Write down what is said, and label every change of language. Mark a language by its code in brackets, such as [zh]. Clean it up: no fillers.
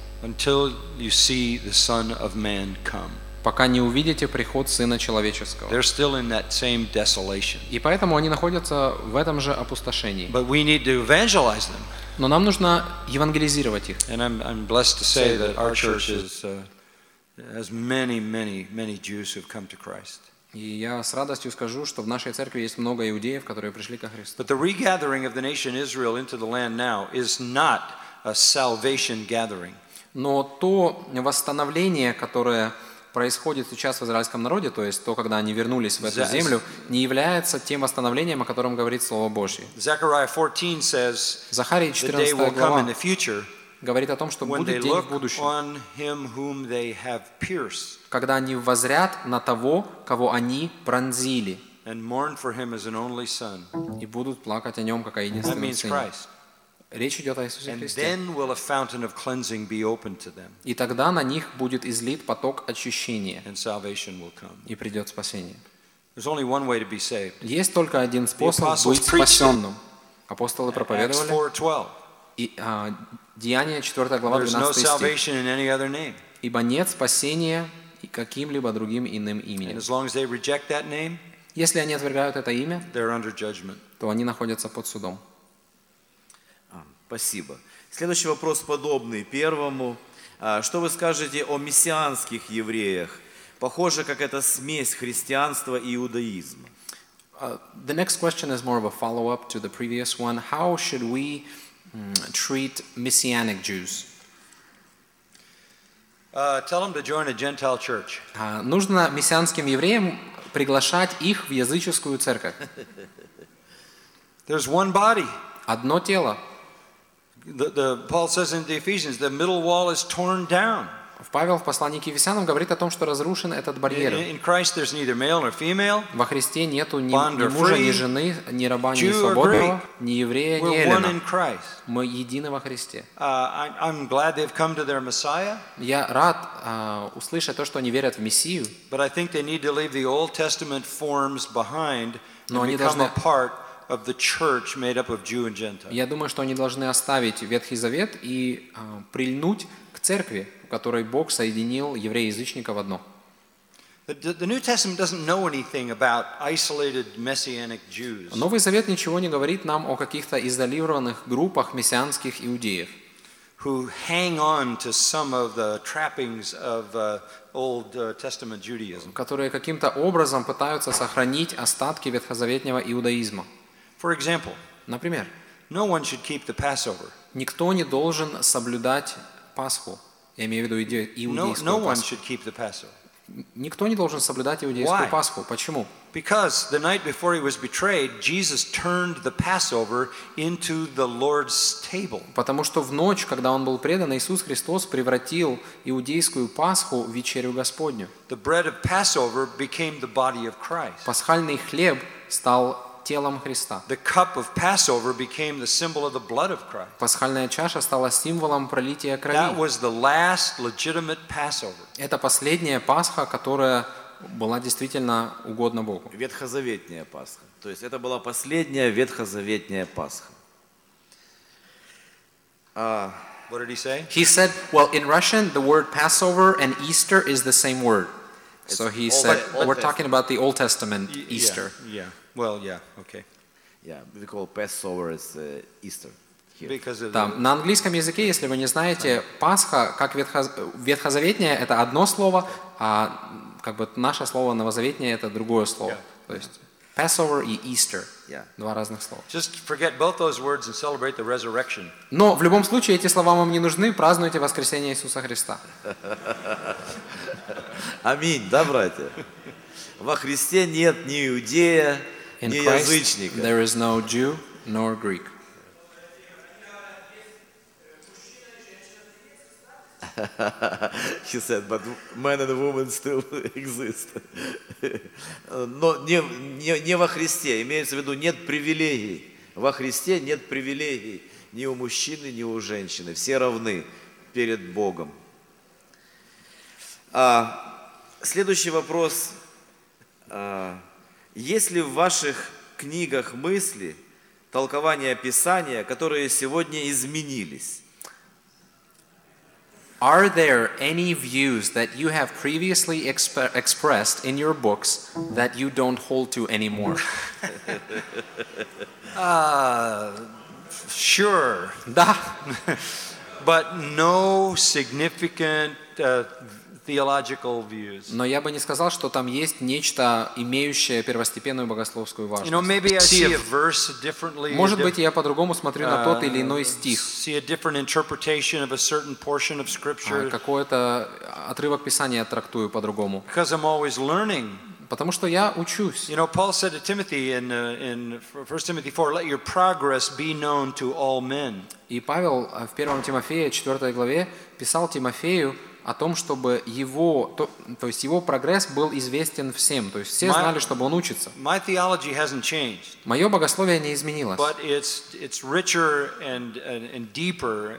[en] until you see the Son of Man come. [ru] Пока не увидите приход Сына Человеческого. [en] They're still in that same desolation. [ru] И поэтому они находятся в этом же опустошении. [en] But we need to evangelize them. [ru] Но нам нужно евангелизировать их. [en] And I'm blessed to say that our church is, has many, many, many Jews who've come to Christ. [ru] И я с радостью скажу, что в нашей церкви есть много иудеев, которые пришли ко Христу. [en] But the regathering of the nation Israel into the land now is not a salvation gathering. [ru] Но то восстановление, которое происходит сейчас в израильском народе, то есть то, когда они вернулись в эту землю, не является тем восстановлением, о котором говорит Слово Божье. [en] Zechariah 14 says, [ru] Захарии 14 глава [en] come in the future, [ru] говорит о том, что будет день в будущем, [en] on him whom they have pierced. [ru] Когда они воззрят на того, кого они пронзили, [en] and mourn for him as an only son. [ru] И будут плакать о нем как о единственном сыне. [en] That means Christ. [ru] Речь идет о Иисусе Христе. [en] And then will a fountain of cleansing be open to them. [ru] И тогда на них будет излит поток очищения. [en] And salvation will come. [ru] И придет спасение. [en] There's only one way to be saved. [ru] Есть только один способ быть спасенным. Апостолы проповедовали. [en] Acts 4:12. [ru] Деяния 4 глава 12 стих. [en] There's no salvation in any other name. [ru] Ибо нет спасения и каким-либо другим иным именем. [en] And as long as they reject that name, [ru] если они отвергают это имя, [en] they're under judgment. [ru] То они находятся под судом. Спасибо. Следующий вопрос подобный первому. Что вы скажете о мессианских евреях? Похоже, как это смесь христианства и иудаизма. [en] The next question is more of a follow-up to the previous one. How should we treat messianic Jews? Tell them to join a Gentile church. [ru] Нужно мессианским евреям приглашать их в языческую церковь. [en] There's one body. [ru] Одно тело. [en] The Paul says in the Ephesians, the middle wall is torn down. [ru] Павел в послании к Ефесянам говорит о том, что разрушен этот барьер. [en] In Christ there's neither male nor female. [ru] Во Христе нету ни мужа, ни жены, ни раба, ни свободного, ни еврея, ни эллина. Мы едины во Христе. [en] I'm glad they've come to their Messiah. [ru] Я рад услышать то, что они верят в Мессию. [en] But I think they need to leave the Old Testament forms behind and become a part of the church made up of Jew and Gentile. [ru] Я думаю, что они должны оставить Ветхий Завет и прильнуть к церкви, который Бог соединил евреи-язычников в одно. [en] The New Testament doesn't know anything about isolated messianic Jews. [ru] Новый Завет ничего не говорит нам о каких-то изолированных группах мессианских иудеев, [en] who hang on to some of the trappings of Old Testament Judaism. [ru] Которые каким-то образом пытаются сохранить остатки ветхозаветнего иудаизма. [en] For example, [ru] например, [en] no one should keep the Passover. [ru] Никто не должен соблюдать Пасху. Я имею в виду иудейскую Пасху. [en] No one should keep the Passover. [ru] Никто не должен соблюдать иудейскую Пасху. Почему? [en] Because the night before he was betrayed, Jesus turned the Passover into the Lord's table. [ru] Потому что в ночь, когда он был предан, Иисус Христос превратил иудейскую Пасху в вечерю Господню. [en] The bread of Passover became the body of Christ. [ru] Пасхальный хлеб стал телом Христа. [en] The cup of Passover became the symbol of the blood of Christ. [ru] Пасхальная чаша стала символом пролития крови. [en] That was the last legitimate Passover. [ru] Это последняя Пасха, которая была действительно угодна Богу. Ветхозаветняя Пасха. То есть это была последняя ветхозаветняя Пасха. [en] What did he say? He said, well, in Russian, the word Passover and Easter is the same word. So he said, we're talking about the Old Testament Easter. Yeah. Well, yeah, okay. Yeah, we call Passover as Easter. [ru] языке. Там, на английском языке, если вы не знаете, Пасха, как ветхозаветнее, это одно слово, а как бы наше слово новозаветнее, это другое слово. То есть Passover и Easter. Два разных слова. [en] Just forget both those words and celebrate the resurrection. [ru] Но в любом случае эти слова вам не нужны, празднуйте воскресение Иисуса Христа. Аминь, да, братья? Во Христе нет ни иудея, ни язычника. [en] There is no Jew nor Greek. She said, but men and women still exist. [ru] Но не во Христе, имеется в виду, нет привилегий. Во Христе нет привилегий ни у мужчины, ни у женщины. Все равны перед Богом. Следующий вопрос. Есть ли в ваших книгах мысли, толкования Писания, которые сегодня изменились? [en] Are there any views that you have previously expressed in your books that you don't hold to anymore? Sure. [ru] Да. [en] But no significant theological views. [ru] Но я бы не сказал, что там есть нечто имеющее первостепенную богословскую важность. [en] You know, maybe I see a verse differently. [ru] Может быть, я по-другому смотрю на тот или иной стих. [en] See a different interpretation of a certain portion of scripture. [ru] Какой-то отрывок Писания трактую по-другому. [en] Because I'm always learning. [ru] Потому что я учусь. [en] You know, Paul said to Timothy in 1 Timothy 4, "Let your progress be known to all men." [ru] И Павел в 1 Тимофея 4 главе писал Тимофею о том, чтобы его, то есть его прогресс был известен всем, то есть все знали, чтобы он учится. [en] My theology hasn't changed. [ru] Мое богословие не изменилось. [en] But it's richer and deeper.